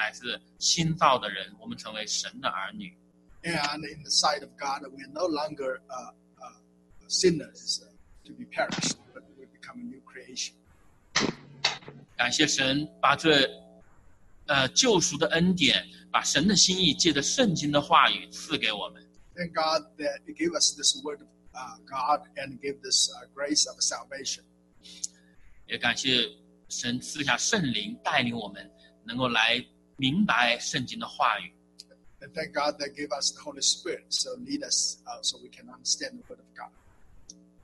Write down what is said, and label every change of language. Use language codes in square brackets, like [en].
[zh] 我们在上帝的眼中不再是注定沉沦灭亡的罪人，在上帝的眼中，我们乃是新造的人，我们成为神的儿女。 [en] And in the sight of God, we are no longer sinners to be perished, but we become a new creation. [zh] 感谢神把这救赎的恩典，把神的心意借着圣经的话语赐给我们。 [en] Thank God that He gave us this word of God and gave this grace of salvation. [zh] 也感谢神赐下圣灵带领我们，能够来明白圣经的话语。 [en] And thank God that gave us the Holy Spirit, so lead us so we can understand the word of God.